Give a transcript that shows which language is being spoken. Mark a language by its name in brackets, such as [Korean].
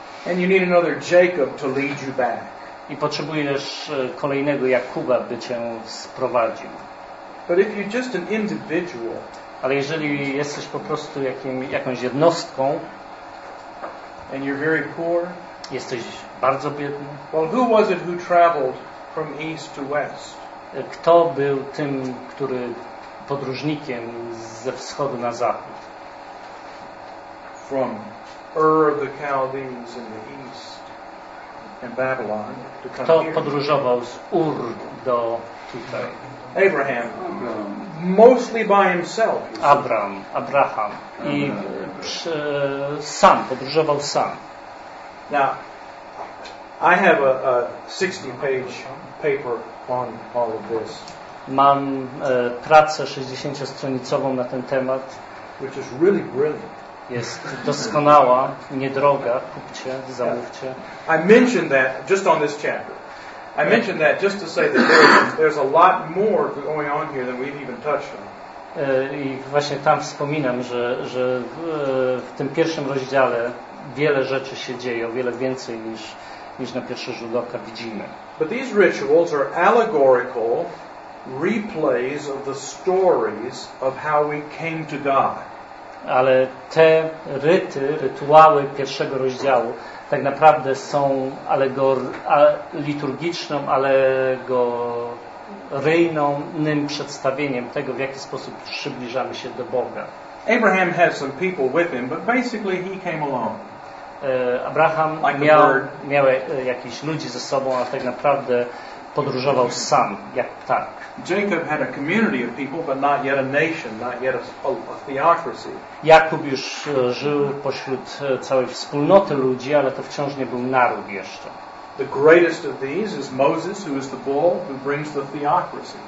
[English] And you need another Jacob to lead you back. [Polish] I potrzebujesz kolejnego Jakuba, by cię sprowadził. [English] But if you're just an individual, [Polish] Ale jeżeli jesteś po prostu jakąś jednostką, [English] and you're very poor, [Polish] jesteś bardzo biedny. [English] Well, who was it who traveled from east to west? [Polish] Kto był tym, który podróżnikiem ze wschodu na zachód? [English] From Ur of the Chaldeans in the east and Babylon to come. [Polish] Kto podróżował z Ur do tutaj? [English] Abraham. Mostly by himself. [Polish] Abraham. I sam podróżował sam. [English] Now, I have a 60-page paper on all of this. [Polish] Mam pracę 60-stronicową na ten temat. [English] Which is really brilliant. [Polish] Jest doskonała, niedroga. Kupcie, zamówcie. [English] I mentioned that just on this chapter. I mentioned that just to say that there's a lot more going on here than we've even touched on. [Polish] I właśnie tam wspominam, że w tym pierwszym rozdziale wiele rzeczy się dzieje, o wiele więcej niż na pierwszy rzut oka widzimy. [English] But these rituals are allegorical replays of the stories of how we came to God. [Polish] Ale te rytuały pierwszego rozdziału tak naprawdę są liturgiczną, alegoryjnym przedstawieniem tego, w jaki sposób przybliżamy się do Boga. [English] Abraham had some people with him, but basically he came alone. [Polish] Abraham like miał jakiś ludzi ze sobą, a tak naprawdę podróżował sam, jak tak. [English] Jacob had a community of people, but not yet a nation, not yet a theocracy. [Polish] Jakub już żył pośród całej wspólnoty ludzi, ale to wciąż nie był naród jeszcze. [English] The greatest of these is Moses, who is the bull who brings the theocracy.